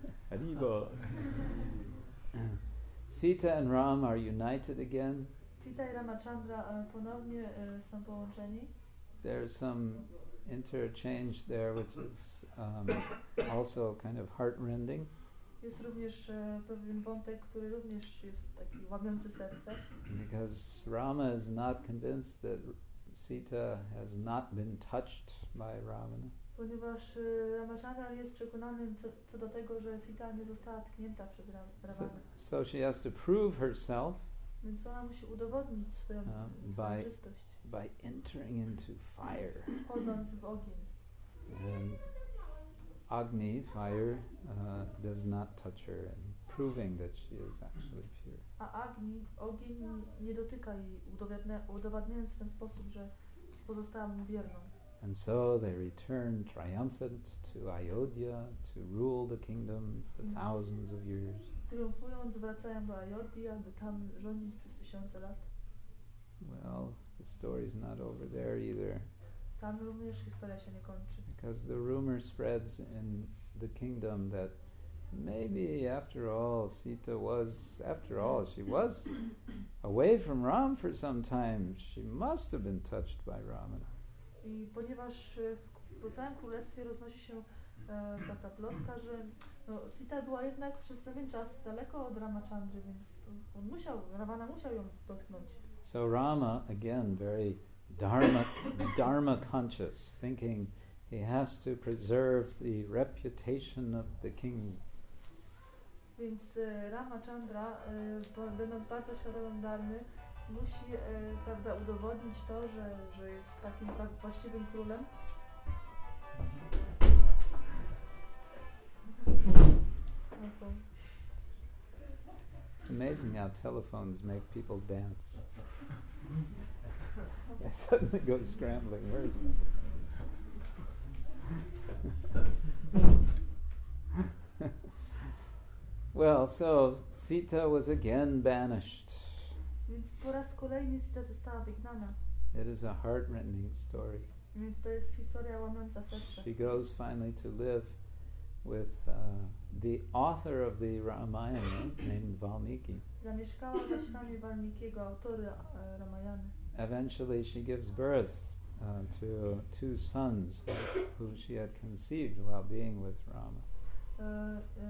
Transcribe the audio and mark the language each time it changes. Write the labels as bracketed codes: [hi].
[es] Arriba! [en] Sita and Ram are united again. [pl] Sita i Ramachandra ponownie są połączeni. [en] There's some interchange there which is also kind of heart-rending. [pl] Jest również pewien wątek, który również jest taki łamiący serce. [en] Because Rama is not convinced that Sita has not been touched by Ravana. [pl] Ponieważ Ramachandra jest przekonany co do tego, że Sita nie została tknięta przez Ravana. [en] So she has to prove herself. [pl] Więc ona musi udowodnić swoją czystość. [en] By entering into fire. [pl] Wchodząc w ogień. [en] and Agni, fire, does not touch her, and proving that she is actually pure. [pl] A Agni, ogień nie dotyka jej, udowadniając w ten sposób, że pozostała mu wierną. [en] And so they return triumphant to Ayodhya to rule the kingdom for thousands of years. [pl] Triumfując, wracają do Ayodhya, aby tam rządzić przez tysiące lat. [en] Well, the story is not over there either. [pl] Tam również historia się nie kończy. [en] Because the rumor spreads in the kingdom that maybe after all Sita was, after all she was away from Ram for some time, she must have been touched by Ramana. [pl] I ponieważ po całym królestwie roznosi się taka plotka, że no, Sita była jednak przez pewien czas daleko od Ramachandry, więc on musiał, Ravana musiał ją dotknąć. [en] So Rama, again, very dharma conscious, thinking he has to preserve the reputation of the king. [pl] Więc Ramachandra, będąc bardzo świadomym dharmy, musi, prawda, udowodnić to, że jest takim właściwym królem. [en] It's amazing how telephones make people dance. They suddenly go scrambling words. Well, so Sita was again banished. [pl] Więc po raz kolejny Sita została wygnana. [en] It is a heart-rending story. [pl] Więc to jest historia łamiąca serce. [en] She goes finally to live with the author of the Ramayana named Valmiki. [pl] Zamieszkała w ashramie Valmikiego, autora Ramayana. [en] Eventually she gives birth to two sons who she had conceived while being with Rama.